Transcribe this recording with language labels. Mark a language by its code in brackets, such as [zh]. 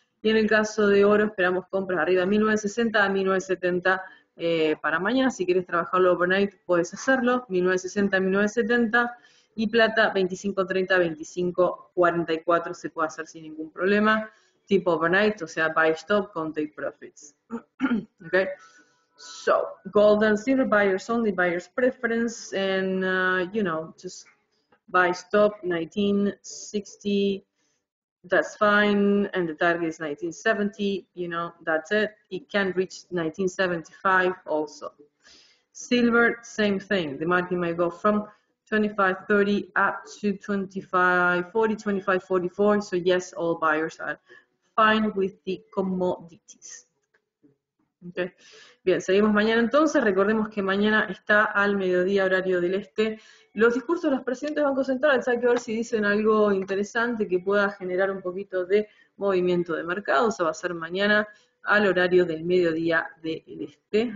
[es] Y en el caso de oro, esperamos compras arriba de 1960 a 1970 para mañana. Si quieres trabajarlo overnight, puedes hacerlo. 1960 a 1970. Y plata 25.30, 25.44 se puede hacer sin ningún problema, tipo overnight, o sea, buy stop con take profits. [en] Okay. So, gold and silver, buyers only, buyers preference, and, you know, just buy stop 1960, that's fine, and the target is 1970, you know, that's it. It can reach 1975 also. Silver, same thing, the market might go from 25.30 up to 25.40, 25.44. So yes, all buyers are fine with the commodities. Okay. [es] Bien, seguimos mañana entonces. Recordemos que mañana está al mediodía horario del este. Los discursos de los presidentes van a concentrarse. Hay que ver si dicen algo interesante que pueda generar un poquito de movimiento de mercado. O sea, va a ser mañana al horario del mediodía del este.